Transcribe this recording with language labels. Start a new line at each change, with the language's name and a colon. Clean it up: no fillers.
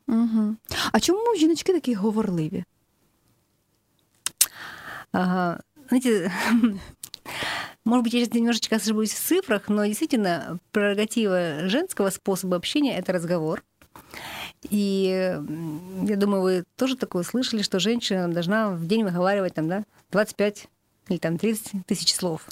Ukrainian: Угу. А чому жіночки такі говорливі?
Russian: Ага, знаете, может быть, я сейчас немножечко ошибусь в цифрах, но действительно, прерогатива женского способа общения – это разговор. И я думаю, вы тоже такое слышали, что женщина должна в день выговаривать там, да, 25 или там 30 тысяч слов.